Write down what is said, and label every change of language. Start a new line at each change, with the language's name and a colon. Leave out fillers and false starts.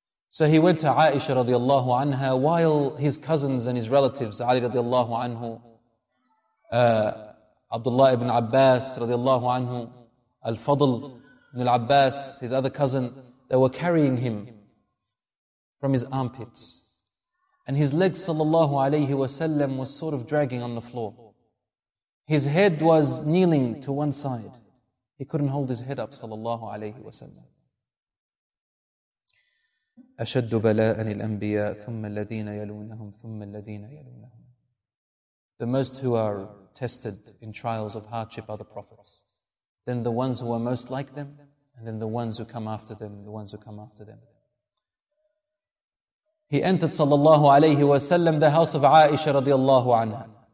English: So he went to Aisha radiallahu anha while his cousins and his relatives, Ali radiallahu anhu, Abdullah ibn Abbas radiallahu anhu, Al-Fadl ibn al-Abbas, his other cousin, they were carrying him from his armpits. And his legs sallallahu alayhi wa sallam was sort of dragging on the floor. His head was kneeling to one side. He couldn't hold his head up sallallahu alayhi wa sallam.
Arabic: أشد بلاء الأنبياء ثم الذين يلونهم ثم الذين يلونهم.
English: The most who are tested in trials of hardship are the prophets. Then the ones who are most like them, and then the ones who come after them, the ones who come after them. He entered sallallahu alayhi wa sallam the house of Aisha radiallahu anha.